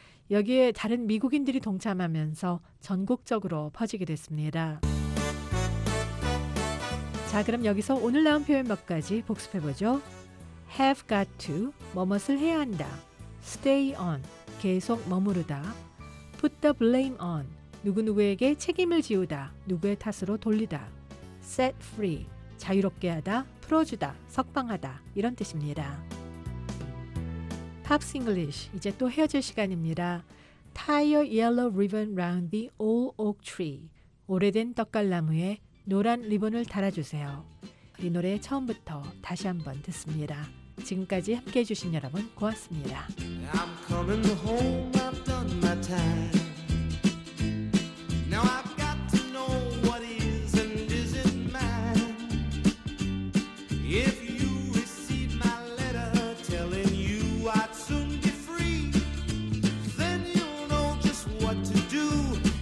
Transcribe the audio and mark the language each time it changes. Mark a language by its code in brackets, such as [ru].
[ko] 여기에 다른 미국인들이 동참하면서 전국적으로 퍼지게 됐습니다. 자, 그럼 여기서 오늘 나온 표현 몇 가지 복습해보죠. [en] Have got to, [ko] 뭐뭇을 해야 한다. [en] Stay on, [ko] 계속 머무르다. [en] Put the blame on, [ko] 누구누구에게 책임을 지우다. 누구의 탓으로 돌리다. [en] Set free, [ko] 자유롭게 하다, 풀어주다, 석방하다. 이런 뜻입니다. Pops English, 이제 또 헤어질 시간입니다. [en] Tie a yellow ribbon round the old oak tree. [ko] 오래된 떡갈나무에 노란 리본을 달아주세요. 이 노래 처음부터 다시 한번 듣습니다. 지금까지 함께해 주신 여러분 고맙습니다. [en] I'm coming home, I've done my time. Now I've got to know what is and isn't mine. If you receive my letter telling you I'd soon be free, then you'll know just what to do.